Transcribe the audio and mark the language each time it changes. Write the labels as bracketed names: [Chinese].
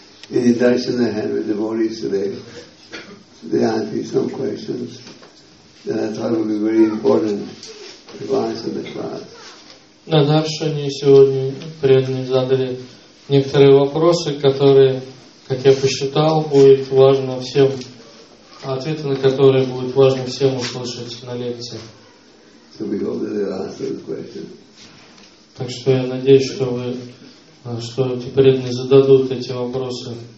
[English] In the darshan I had with the devotees today, they asked me some questions that I thought would be very important to answer the class. [Russian] На даршане сегодня преданные задали некоторые вопросы, которые, как я посчитал, будет важно всем, ответы на которые будет важно всем услышать на лекции. [English] So we hope that they'll answer the question. [Russian] Так что я надеюсь, что вы что эти преданные зададут эти вопросы.